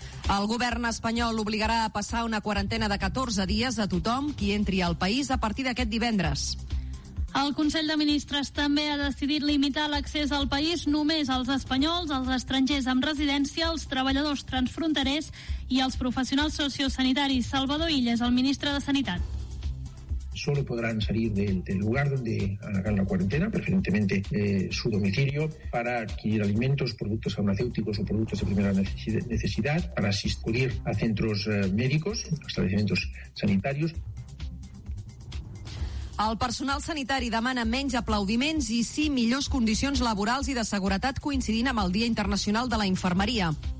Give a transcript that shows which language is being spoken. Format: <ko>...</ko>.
<ca>El govern espanyol obligarà a passar una quarantena de 14 dies a tothom qui entri al país a partir d'aquest divendres. El Consell de Ministres també ha decidit limitar l'accés al país només als espanyols, als estrangers amb residència, als treballadors transfronterers i als professionals sociosanitaris. Salvador Illes, el ministre de Sanitat.</ca> <es>Solo podrán salir del lugar donde hagan la cuarentena, preferentemente su domicilio, para adquirir alimentos, productos farmacéuticos o productos de primera necesidad, para asistir a centros médicos, establecimientos sanitarios.</es> <ca>El personal sanitari demana menys aplaudiments i sí millors condicions laborals i de seguretat coincidint amb el Dia Internacional de la Infermeria.</ca>